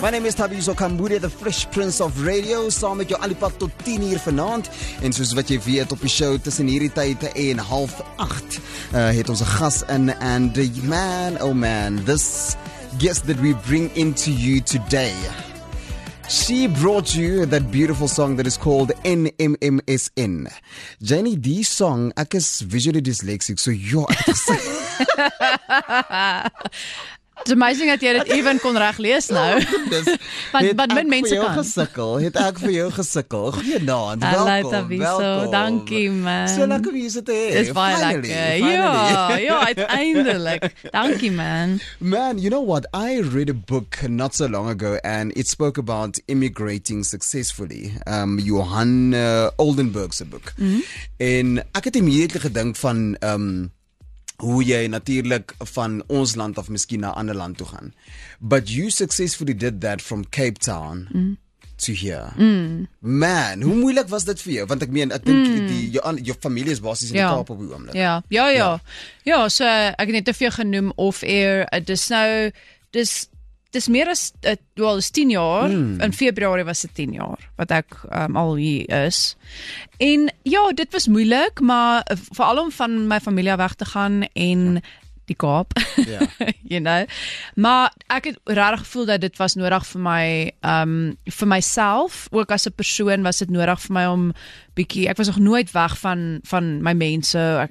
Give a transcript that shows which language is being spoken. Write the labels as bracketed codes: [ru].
[en] My name is Thabiso Kambule, the Fresh Prince of Radio. [af] Saam met jou alipad tot 10 uur vanaand. En soos wat jy weet op die show, tussen hierdie tyd en 7:30, het ons 'n gas in. [en] And man, oh man, this guest that we bring into you today, she brought you that beautiful song that is called NMMSN. Jenny, this song, [af] ek is [en] visually dyslexic, so you're at the same. It's amazing [af] dat jy dit even kon reg lees nou. Want min mense kan. Het ek vir jou gesukkel. Goeienaand, welkom. Hallo Thabiso, dankie man. So lekker om jou so te hê. Dis baie lekker. Ja, uiteindelik. Dankie man. [en] Man, you know what? I read a book not so long ago and it spoke about immigrating successfully. [af] Johan Oldenburg's book. En ek het immediately gedink van hoe jy natuurlik van ons land of miskien na ander land toe gaan. [en] But you successfully did that from Cape Town to here. [af] Man, hoe moeilik was dit vir jou? Want ek meen, ek dink jou familie is basies in die Kaap op die oomblik. Ja, so ek het net te veel genoem off air. Dis meer as, wel, dis 10 jaar. In februari was dit 10 jaar, wat ek al hier is. En ja, dit was moeilik, maar vooral om van my familie weg te gaan en die Kaap, [en] you know. [af] Maar ek het rarig gevoel dat dit was nodig vir my, vir myself, ook as 'n persoon was dit nodig vir my om bietjie, ek was nog nooit weg van my mense.